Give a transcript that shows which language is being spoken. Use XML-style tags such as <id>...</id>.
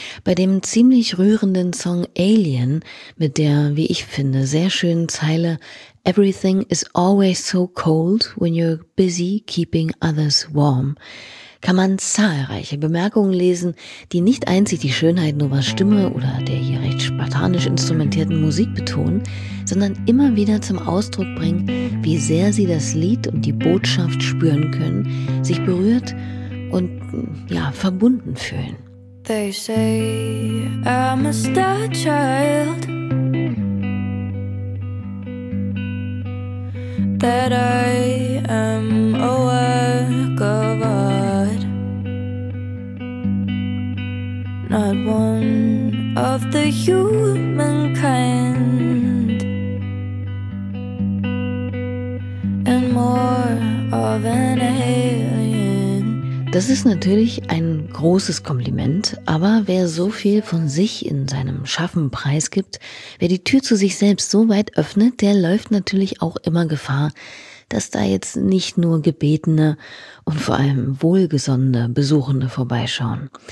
<de>Bei dem ziemlich rührenden Song Alien mit der, wie ich finde, sehr schönen Zeile</de> <en>"Everything is always so cold when you're busy keeping others warm"</en> <de>kann man zahlreiche Bemerkungen lesen, die nicht einzig die Schönheit Novas Stimme oder der hier recht spartanisch instrumentierten Musik betonen, sondern immer wieder zum Ausdruck bringen, wie sehr sie das Lied und die Botschaft spüren können, sich berührt und ja, verbunden fühlen.</de> <en>They say I'm a star child, that I am a work of art, not one of the human kind, and more of an alien.</en> <de>Das ist natürlich ein großes Kompliment, aber wer so viel von sich in seinem Schaffen preisgibt, wer die Tür zu sich selbst so weit öffnet, der läuft natürlich auch immer Gefahr, dass da jetzt nicht nur Gebetene und vor allem wohlgesonnene Besuchende vorbeischauen.</de>